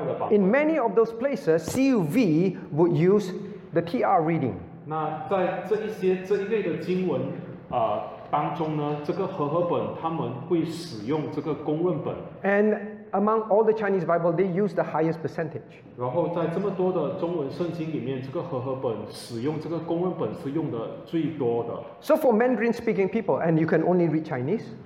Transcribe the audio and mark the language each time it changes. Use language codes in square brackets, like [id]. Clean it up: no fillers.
[en] In many of those places, CUV would use the TR reading. [zh] 那在这一些这一类的经文当中呢，这个和合本他们会使用这个公论本。 [en] And among all the Chinese Bible, they use the highest percentage. [zh] 然后在这么多的中文圣经里面，这个和合本使用这个公论本是用的最多的。 [en] So for Mandarin speaking people, and you can only read Chinese.